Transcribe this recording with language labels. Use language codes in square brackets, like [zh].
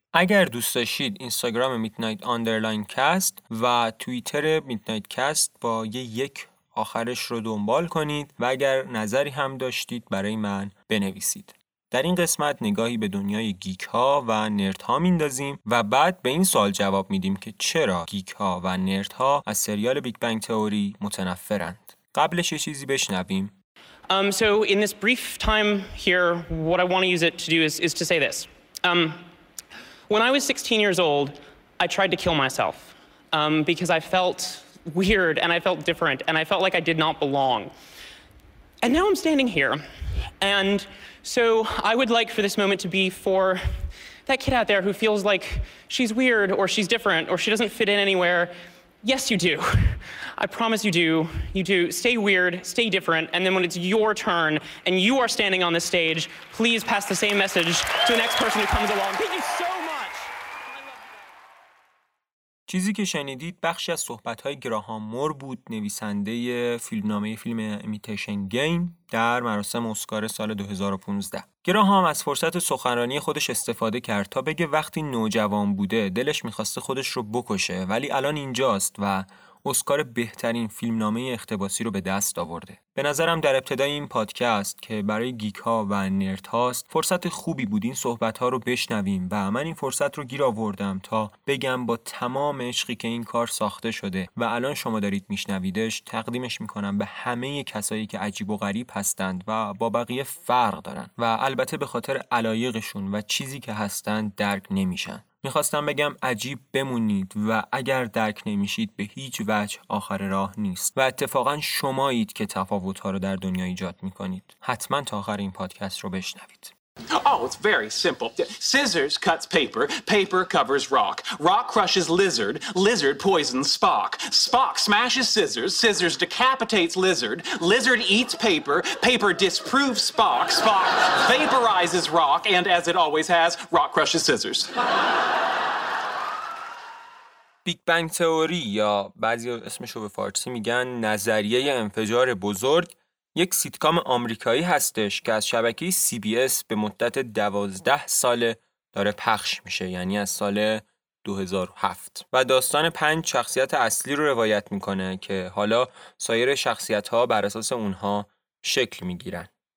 [fa] اگر دوست داشتید اینستاگرام میدنایت آندرلاین کست و توییتر میدنایت کست با یک آخرش رو دنبال کنید و اگر نظری هم داشتید برای من بنویسید. در این قسمت نگاهی به دنیای گیک ها و نرد ها میندازیم و بعد به این سوال جواب میدیم که چرا گیک ها و نرد ها از سریال بیگ بنگ تئوری متنفرند. قبلش چیزی بشنویم. [en] So in this brief time here what I want to use it to do is to say this. When I was 16 years old, I tried to kill myself. Because I felt weird and I felt different and I felt like I did not belong. And now I'm standing here and so I would like for this moment to be for that kid out there who feels like she's weird or she's different or she doesn't fit in anywhere. Yes, you do. I promise you do. You do. Stay weird, stay different, and then when it's your turn and you are standing on this stage, please pass the same message to the next person who comes along. Thank you so much. [fa] چیزی که شنیدید بخشی از صحبت‌های گراهام مور بود، نویسنده فیلمنامه فیلم ایمیتیشن گیم در مراسم اسکار سال 2015. گراهام از فرصت سخنرانی خودش استفاده کرد تا بگه وقتی نوجوان بوده دلش می‌خواسته خودش رو بکشه، ولی الان اینجاست و اسکار بهترین فیلمنامه اقتباسی رو به دست آورده. به نظرم در ابتدای این پادکست که برای گیک‌ها و نرد‌هاست فرصت خوبی بود این صحبت‌ها رو بشنویم و من این فرصت رو گیر آوردم تا بگم با تمام عشقی که این کار ساخته شده و الان شما دارید میشنویدش، تقدیمش می‌کنم به همه کسایی که عجیب و غریب هستند و با بقیه فرق دارن و البته به خاطر علایقشون و چیزی که هستند درک نمی‌شن. میخواستم بگم عجیب بمونید و اگر درک نمیشید به هیچ وجه آخر راه نیست و اتفاقا شمایید که تفاوت‌ها رو در دنیا ایجاد میکنید. حتما تا آخر این پادکست رو بشنوید. [en] Oh, it's very simple. Scissors cuts paper, paper covers rock. Rock crushes lizard, lizard poisons Spock. Spock smashes scissors, scissors decapitates lizard. Lizard eats paper, paper disproves Spock. Spock vaporizes rock, and as it always has, rock crushes scissors. [fa] بیگ بنگ تئوری یا بعضی اسمشو به فارسی میگن نظریه انفجار بزرگ، یک سیتکام آمریکایی هستش که از شبکه CBS به مدت 12 ساله داره پخش میشه، یعنی از سال 2007، و داستان 5 شخصیت اصلی رو روایت میکنه که حالا سایر شخصیت‌ها بر اساس اونها شکل میگیرن.